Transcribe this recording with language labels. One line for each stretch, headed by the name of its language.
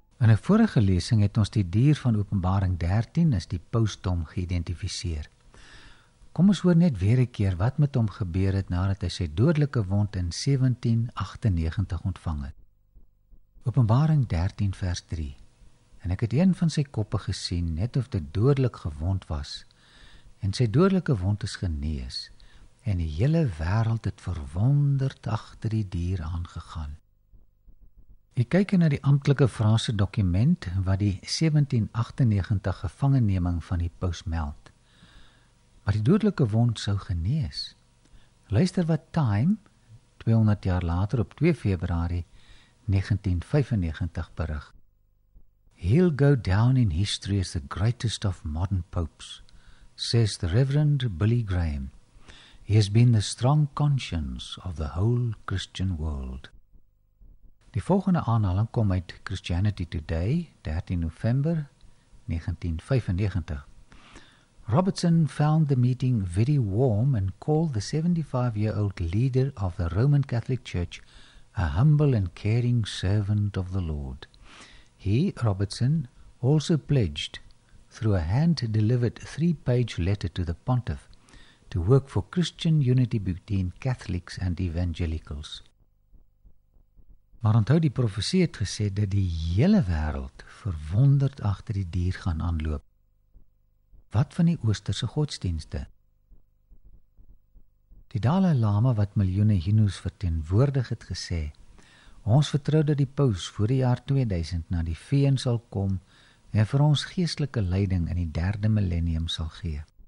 Afrikaans: In 'n vorige lesing het ons die dier van Openbaring 13 as die pausdom geïdentifiseer. Kom ons hoor net weer 'n keer wat met hom gebeur het nadat hy sy dodelike wond in 1798 ontvang het. Openbaring 13 vers 3. En ek het een van sy koppe gesien, net of dit dodelik gewond was. En sy dodelike wond is genees. En die hele wêreld het verwonderd agter die dier aangegaan. Jy kyk na die amptelike Franse dokument wat die 1798 gevangeneming van die paus meld. Maar die dodelike wond sou genees. Luister wat Time, 200 jaar later op 2 Februarie 1995 berig.
English: He'll go down in history as the greatest of modern popes, says the Reverend Billy Graham. He has been the strong conscience of the whole Christian world.
Afrikaans: Die volgende aanhaling kom uit Christianity Today, 13 November 1995.
English: Robertson found the meeting very warm and called the 75-year-old leader of the Roman Catholic Church a humble and caring servant of the Lord. He, Robertson, also pledged, through a hand-delivered 3-page letter to the pontiff, to work for Christian unity between Catholics and Evangelicals.
Afrikaans: Maar onthou, die profesie het gesê dat die hele wêreld verwonderd agter die dier gaan aanloop. Wat van die oosterse godsdienste? Die Dalai Lama, wat miljoene hindoes verteenwoordig, het gesê, ons vertrou dat die paus voor die jaar 2000 na die VN sal kom en vir ons geestelike leiding in die derde millennium sal gee.